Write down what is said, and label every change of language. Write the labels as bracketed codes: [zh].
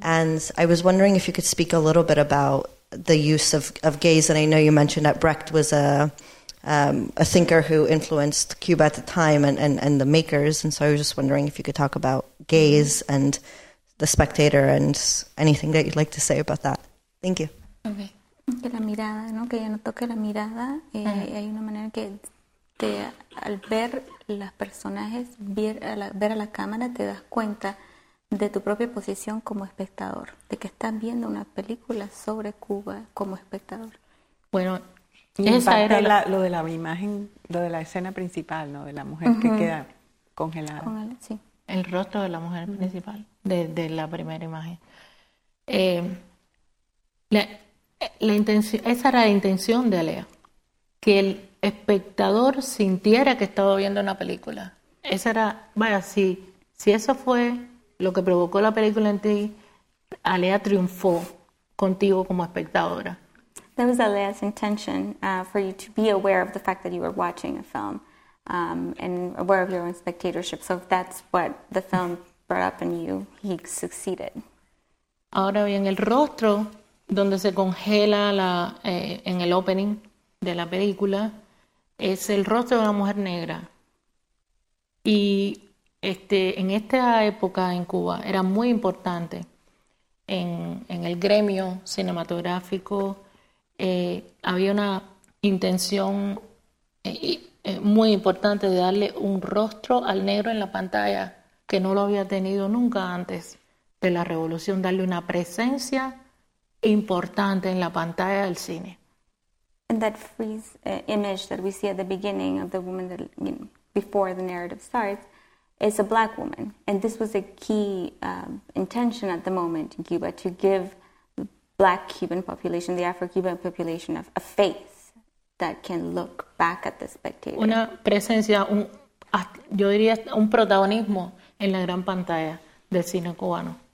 [en] And I was wondering if you could speak a little bit about the use of gaze. And I know you mentioned that Brecht was a thinker who influenced Cuba at the time and the makers. And so I was just wondering if you could talk about gaze and the spectator and anything that you'd like to say about that. Thank you. Okay. [es] Que la mirada, ¿no? Que ya no toque la mirada. Mm-hmm. Hay una manera que te, al ver los personajes, ver a la cámara, te das cuenta de tu propia posición como espectador, de que estás viendo una película sobre Cuba como espectador. Bueno, lo de la imagen, lo de la escena principal, ¿no? De la mujer que queda congelada. Sí. El rostro de la mujer principal, de la primera imagen. La intención, esa era la intención de Alea, que el espectador sintiera que estaba viendo una película. Esa era, vaya, si eso fue lo que provocó la película en ti, Alea triunfó contigo como espectadora. [en] That was Alea's intention, for you to be aware of the fact that you were watching a film, and aware of your own spectatorship. So if that's what the film brought up in you, he succeeded. [es] Ahora bien, el rostro donde se congela la en el opening de la película es el rostro de una mujer negra. Y en esta época en Cuba era muy importante en el gremio cinematográfico. Había una intención muy importante de darle un rostro al negro en la pantalla que no lo había tenido nunca antes de la revolución, darle una presencia importante en la pantalla del cine. [en] And that freeze image that we see at the beginning of the woman that, you know, before the narrative starts, is a black woman. And this was a key intention at the moment in Cuba, to give black Cuban population, the Afro-Cuban population, of a face that can look back at the spectator. [es] Una presencia, yo diría un protagonismo en la gran pantalla del cine cubano.